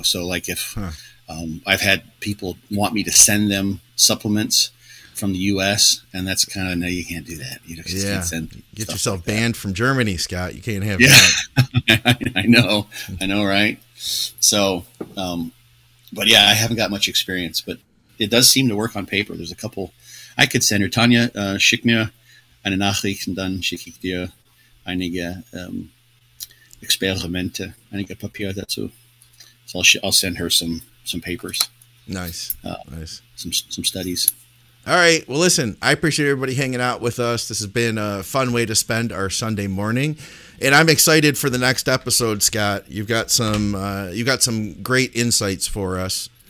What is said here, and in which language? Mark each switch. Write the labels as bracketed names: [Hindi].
[English] So like I've had people want me to send them supplements from the U.S. and that's kind of, no, you can't do that. You just can't send. Get yourself like banned from Germany, Scott. You can't have that. I know. Right. So, I haven't got much experience, but it does seem to work on paper. There's a couple I could send her. [German] Tanya, schick mir eine Nachricht und dann schick ich dir einige, Experimente, einige Papier dazu. [English] So I'll send her some papers. Nice. Some studies. All right. Well, listen, I appreciate everybody hanging out with us. This has been a fun way to spend our Sunday morning. And I'm excited for the next episode, Scott. You've got some great insights for us.